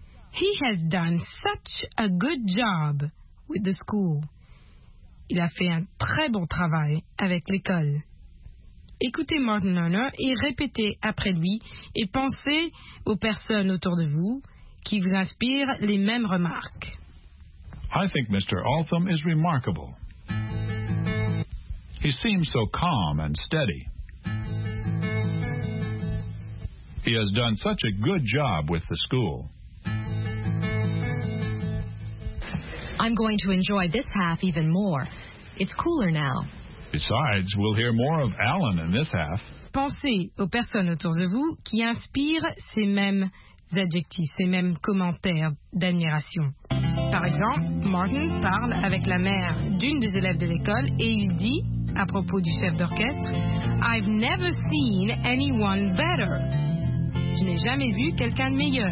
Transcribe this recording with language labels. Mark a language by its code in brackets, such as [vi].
[en] He has done such a good job with the school. [fr] Il a fait un très bon travail avec l'école. Écoutez Martin Lerner et répétez après lui et pensez aux personnes autour de vous qui vous inspirent les mêmes remarques. [en] I think Mr. Altham is remarkable. He seems so calm and steady. He has done such a good job with the school. I'm going to enjoy this half even more. It's cooler now. Besides, we'll hear more of Alan in this half. [fr] Pensez aux personnes autour de vous qui inspirent ces mêmes adjectifs, ces mêmes commentaires d'admiration. Par exemple, Martin parle avec la mère d'une des élèves de l'école et il dit, à propos du chef d'orchestre, « [en] I've never seen anyone better. [fr] » Je n'ai jamais vu quelqu'un de meilleur.